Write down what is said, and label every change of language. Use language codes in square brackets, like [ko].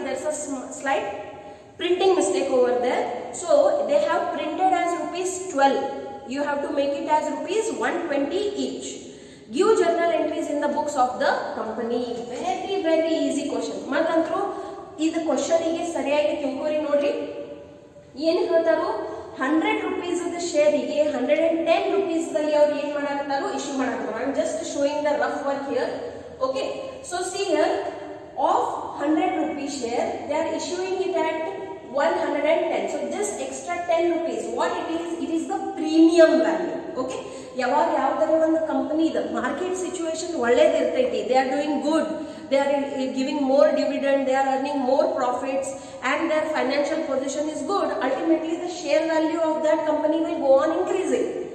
[en] There's a slight printing mistake over there. So they have printed as rupees 12. You have to make it as rupees 120 each. Give journal entries in the books of the company. Very very easy question. [kn] Madantro idu question ige sariyagi tumkori nodri. ಏನ್ ಹೇಳ್ತಾರೋ 100 rupees the share ಗೆ 110 rupees ದಲ್ಲಿ ಅವ್ರು ಏನ್ ಮಾಡಕತ್ತಾರೋ issue ಮಾಡಕತ್ತಾರೋ. [en] I am just showing the rough work here. Okay, so see here, of 100 rupees share they are issuing it at 110. So just extra 10 rupees. What it is, it is the premium value. [kn] Okay, ಯಾವಾಗ ಯಾವ್ದಾರ ಒಂದು company ಇದೆ market situation ಒಳ್ಳೇದಿರ್ತೈತಿ, [en] They are doing good, they are giving more dividend, they are earning more profits, and their financial position is good, ultimately the share value of that company will go on increasing.